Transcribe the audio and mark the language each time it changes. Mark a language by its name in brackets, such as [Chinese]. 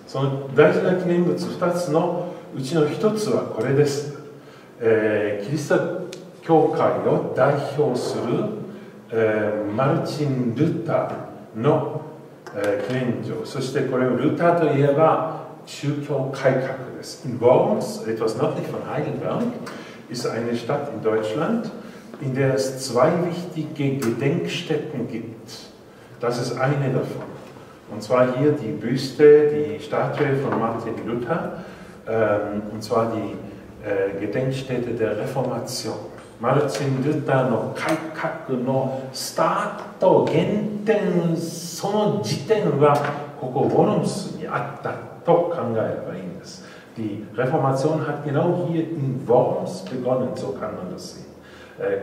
[Japanese] その大事な記念物2つのうちの1つはこれです。キリスト教会を代表するマルチン・ルーターの記念所、そしてこれをルーターといえば宗教改革です。 [German] In Worms, etwas nördlich von Heidelberg, ist eine Stadt in Deutschland, in der es zwei wichtige Gedenkstätten gibt. Das ist eine davon. Und zwar hier die Büste, die Statue von Martin Luther, und zwar die Gedenkstätte der Reformation. [Japanese] マルチン・ルーターの改革のスタート、原点、その時点はここ、ウォルムスにあったと考えればいいんです。 [German] Die Reformation hat genau hier in Worms begonnen, so kann man das sehen.